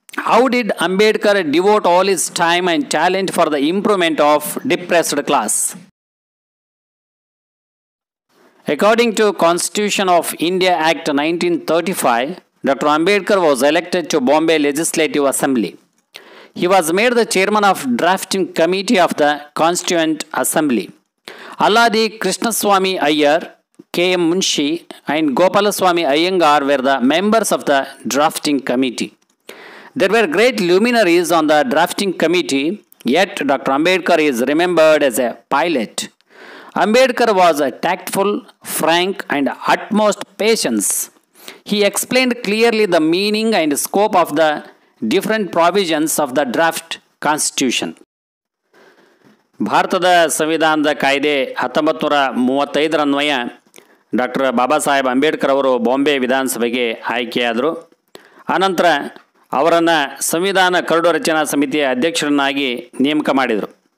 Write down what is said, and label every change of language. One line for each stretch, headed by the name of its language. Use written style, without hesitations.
English: How did Ambedkar devote all his time and talent for the improvement of depressed class? According to constitution of India act 1935, doctor Ambedkar was elected to Bombay legislative assembly. He was made the chairman of drafting committee of the Constituent Assembly. Alladi Krishnaswamy Iyer, K.M. Munshi and Gopalaswamy Iyengar were the members of the drafting committee. There were great luminaries on the drafting committee, yet Dr. Ambedkar is remembered as a pilot. Ambedkar was tactful, frank, and utmost patience. He explained clearly the meaning and scope of the different provisions of the draft constitution.
Kannada: ಭಾರತದ ಸಂವಿಧಾನದ ಕಾಯ್ದೆ 1935 ಅನ್ವಯ doctor Baba Saheb Ambedkar ಅವರು ಬಾಂಬೆ ವಿಧಾನಸಭೆಗೆ ಆಯ್ಕೆಯಾದರು. ಆನಂತರ ಅವರನ್ನು ಸಂವಿಧಾನ ಕರಡು ರಚನಾ ಸಮಿತಿಯ ಅಧ್ಯಕ್ಷರನ್ನಾಗಿ ನೇಮಕ ಮಾಡಿದರು.